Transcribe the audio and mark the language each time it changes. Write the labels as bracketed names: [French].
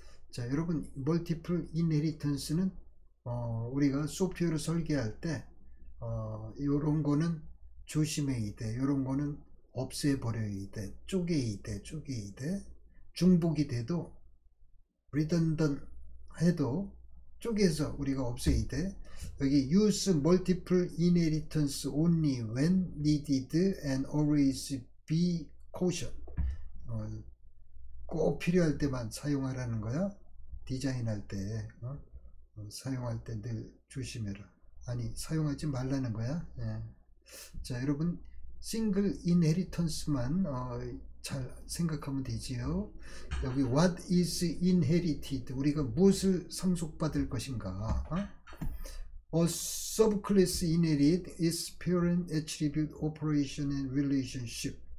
[Korean] 자, 여러분 멀티플 인헤리턴스는 우리가 소프트웨어를 설계할 때 요런 거는 조심해야 돼. 요런 거는 없애버려야 돼. 쪼개야 돼. 쪼개야 돼. 중복이 돼도 리던던 해도 쪽에서 우리가 없어야 돼. 여기 [English] use multiple inheritance only when needed and always be cautious. [Korean] 꼭 필요할 때만 사용하라는 거야. 디자인할 때 사용할 때 늘 조심해라. 아니 사용하지 말라는 거야. 예. 자 여러분 single inheritance만 잘 생각하면 되지요. 여기 [English] what is inherited? [Korean] 우리가 무엇을 상속받을 것인가? 어? [English] A subclass inherit is parent attribute operation and relationship.